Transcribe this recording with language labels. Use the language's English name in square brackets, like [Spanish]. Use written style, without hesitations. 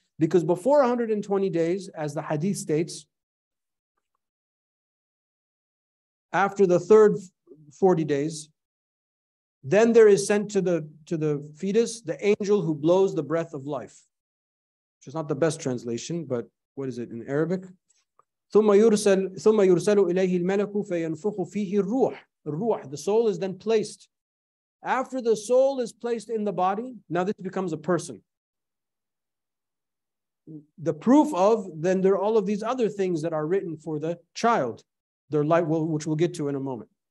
[English] Because before 120 days, as the hadith states, after the third 40 days, then there is sent to the fetus the angel who blows the breath of life, which is not the best translation, but what is it in Arabic? [Arabic] ثم يرسل إليه الملك فينفخ فيه الروح. [English] الروح, the soul is then placed. After the soul is placed in the body, now this becomes a person. The proof of, then there are all of these other things that are written for the child, their life, which we'll get to in a moment.